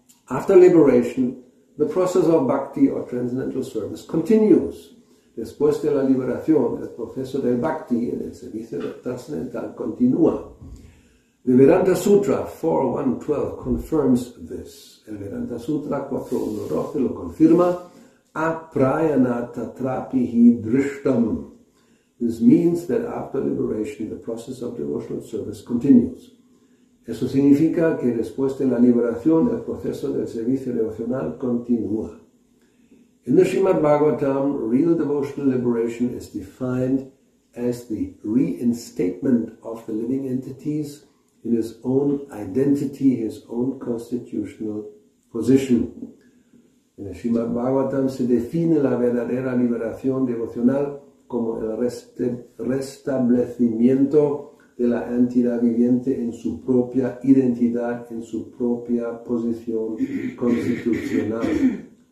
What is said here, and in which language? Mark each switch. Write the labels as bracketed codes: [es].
[en] After liberation, the process of bhakti or transcendental service continues. [es] Después de la liberación, el proceso del bhakti en el servicio transcendental continúa. [en] The Vedanta Sutra 4.1.12 confirms this. [es] El Vedanta Sutra 4.1.12 lo confirma. [sa] Aprayanata trapihi drishtam. [en] This means that after liberation, the process of devotional service continues. [es] Eso significa que después de la liberación, el proceso del servicio devocional continúa. [en] In the Srimad Bhagavatam, real devotional liberation is defined as the reinstatement of the living entities in his own identity, his own constitutional position. [es] En el Srimad Bhagavatam se define la verdadera liberación devocional como el restablecimiento de la entidad viviente en su propia identidad, en su propia posición constitucional.